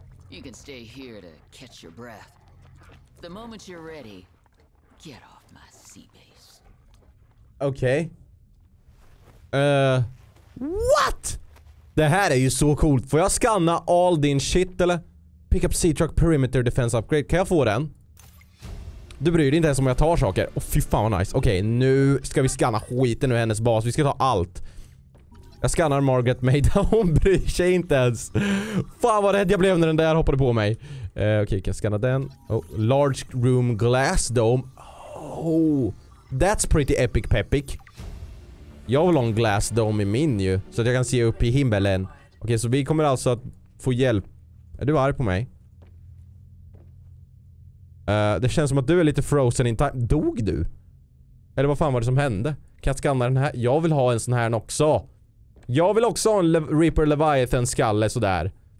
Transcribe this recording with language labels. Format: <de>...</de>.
<en>You can stay here to catch your breath. The moment you're ready, get off my sea base. Okej. Okay. What?</en> <sv>Det här är ju så coolt. Får jag scanna all din shit eller?</sv> <en>Pick up C-truck perimeter defense upgrade.</en> <sv>Kan jag få den? Du bryr dig inte ens om jag tar saker. Åh, fy fan vad nice. Okej, okay, nu ska vi scanna skiten ur hennes bas. Vi ska ta allt. Jag scannar Margaret Maida. Hon bryr sig inte ens. Fan vad rädd jag blev när den där hoppade på mig. Okej, okay, kan jag scanna den?</sv> <en>Oh, large room glass dome. Oh. That's pretty epic peppic.</en> <sv>Jag vill ha en glass dome i min ju. Så att jag kan se upp i himmelen. Okej, så vi kommer alltså att få hjälp. Är du arg på mig? Det känns som att du är lite frozen in time. Dog du? Eller vad fan var det som hände? Kan jag scanna den här? Jag vill ha en sån här också. Jag vill också ha en Reaper Leviathan skalle sådär.</sv>